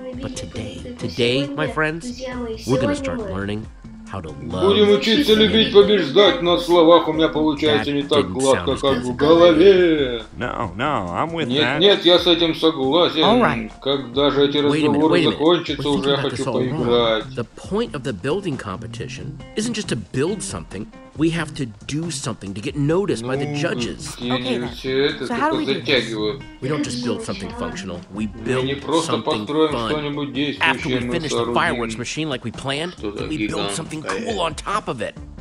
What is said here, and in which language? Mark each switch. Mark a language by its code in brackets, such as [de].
[en] But today, my friends, we're going to start learning. [ru] Будем учиться любить побеждать, но в словах у меня получается не так гладко, как в голове. Нет, я с этим согласен. Когда же эти разговоры закончатся, уже я хочу поиграть. [en] The point of the building competition isn't just to build something. We have to do something to get noticed by the judges. Okay, so how do we do this? We don't just build something functional. We build something fun. After we finish the fireworks machine like we planned, then we build something cool on top of it.